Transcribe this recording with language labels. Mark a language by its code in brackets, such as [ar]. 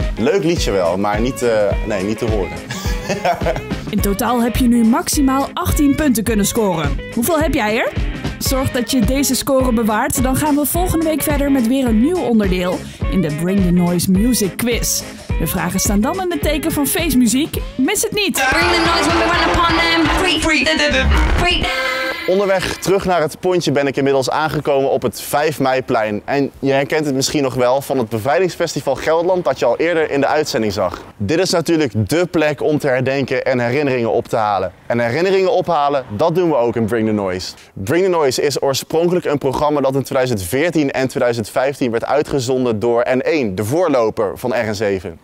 [nl] Leuk liedje wel, maar niet te horen. In totaal heb je nu maximaal 18 punten kunnen scoren. Hoeveel heb jij er? Zorg dat je deze score bewaart, dan gaan we volgende week verder met weer een nieuw onderdeel in de Bring the Noise Music Quiz. De vragen staan dan in het teken van feestmuziek. Mis het niet! [en] Bring the noise when we run upon them. Free. [nl] Onderweg terug naar het pontje ben ik inmiddels aangekomen op het 5 Meiplein. En je herkent het misschien nog wel van het Bevrijdingsfestival Gelderland dat je al eerder in de uitzending zag. Dit is natuurlijk dé plek om te herdenken en herinneringen op te halen. En herinneringen ophalen, dat doen we ook in Bring the Noise. Bring the Noise is oorspronkelijk een programma dat in 2014 en 2015 werd uitgezonden door N1, de voorloper van RN7.